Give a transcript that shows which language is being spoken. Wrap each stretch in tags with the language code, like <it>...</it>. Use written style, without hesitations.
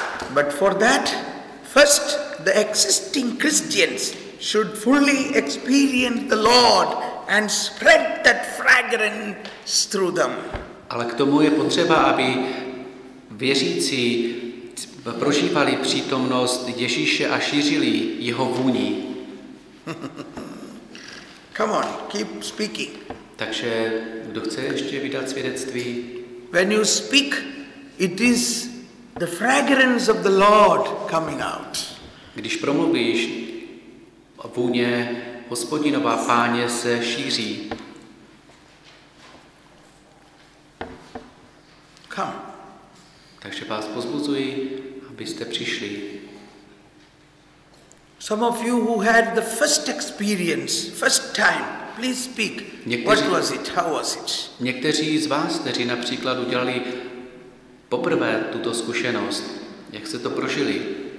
<en>But for that, first the existing Christians should fully experience the Lord and spread that fragrance through them.</en> <cs>Ale k tomu je potřeba, aby věřící prožívali přítomnost Ježíše a šířili jeho vůni.</cs> <en>Come on, keep speaking.</en> <cs>Takže kdo chce ještě vydat svědectví?</cs> <en>When you speak, it is the fragrance of the Lord coming out.</en> <cs>Když promluvíš, vůně Hospodinova Páně se šíří.</cs> <en>Come.</en> <cs>Takže vás pozbuzuji, abyste přišli.</cs> <en>Some of you who had the first experience, first time, please speak.</en> <cs>Někteří,</cs> <en>what was it? How was it?</en> <cs>Někteří z vás, kteří například udělali poprvé tuto zkušenost, jak se to prožili?</cs>